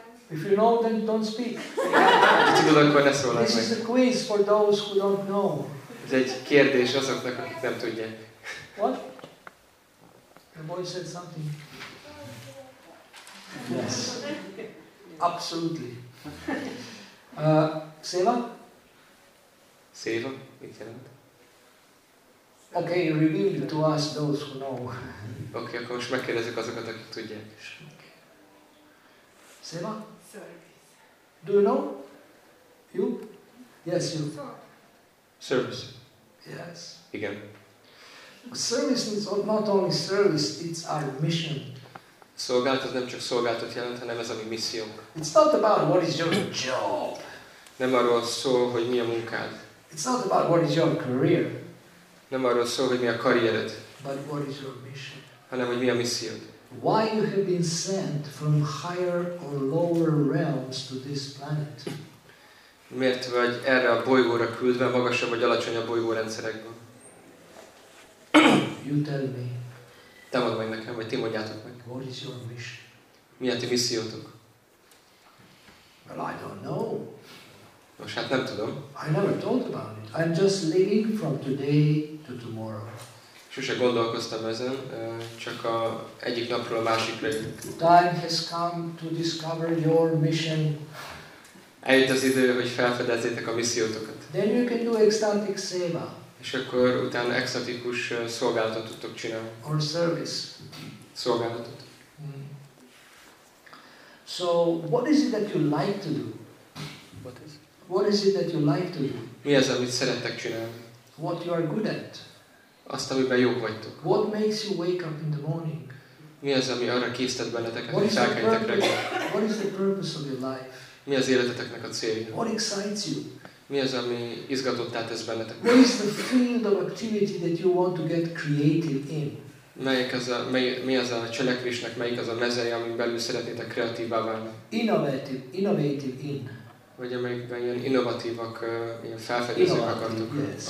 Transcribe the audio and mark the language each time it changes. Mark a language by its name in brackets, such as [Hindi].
[English] If you know, then don't speak. This is a quiz for those who don't know. [Hungarian] Ez egy kérdés azoknak, akik nem tudják. [English] What? The boy said something. Yes. Absolutely. Seva? [Hungarian] Seva? Mit jelent? [English] Okay, reveal it to us, those who know. [Hungarian] Okay, akkor most megkérdezik azokat, akik tudják. [English] Seva? Do you know? You? Yes, you. Service. Yes. Again. Service is not only service, it's our mission. [Hungarian] Szolgálat nem csak szolgálatot jelent, hanem ez a mi missziónk. [English] It's not about what is your job. [Hungarian] Nem arról szól, hogy mi a munkád. [English] It's not about what is your career. [Hungarian] Nem arról szól, hogy mi a karriered. [English] But what is your mission? [Hungarian] Hanem, hogy mi a missziód. [English] Why you have been sent from higher or lower realms to this planet? [Hungarian] Miért vagy erre a bolygóra küldve, magasabb vagy alacsonyabb bolygórendszerekben? [English] You tell me. [Hungarian] Te mondd meg nekem, vagy ti mondjátok meg. [English] What is your mission? [Hungarian] Mi a ti missziótok? [English] Well, I don't know. [Hungarian] Most hát nem tudom. [English] I never thought about it. I'm just living from today to tomorrow. [Hungarian] Sose gondolkoztam ezen, csak a egyik napról a másikra. [English] Time has come to discover your mission. [Hungarian] Eljött az idő, hogy felfedezzétek a missziótokat. [English] Then you can do ecstatic seva. [Hungarian] És akkor utána ecstatikus szolgálatot tudtok csinálni. [English] Or service. [Hungarian] Szolgálatot. [English] So what is it that you like to do? What is it that you like to do? [Hungarian] Mi az, amit szerettek csinálni? [English] What you are good at? [Hungarian] Azt, amiben jók vagytok. [English] What makes you wake up in the morning? [Hungarian] Mi az, ami arra késztet benneteket, hogy felkeljetek reggel? [English] What is the purpose of your life? [Hungarian] Mi az életeteknek a célja? [English] What excites you? [Hungarian] Mi az, ami izgatottá tesz bennetek? [English] What is the field of activity that you want to get creative in? [Hungarian] Mi az a cselekvésnek, melyik az a mezei, amin belül szeretnétek kreatívvá válni? [English] Innovative in. [Hungarian] Vagy amelyikben ilyen innovatívak, ilyen felfedezők akartok, yes.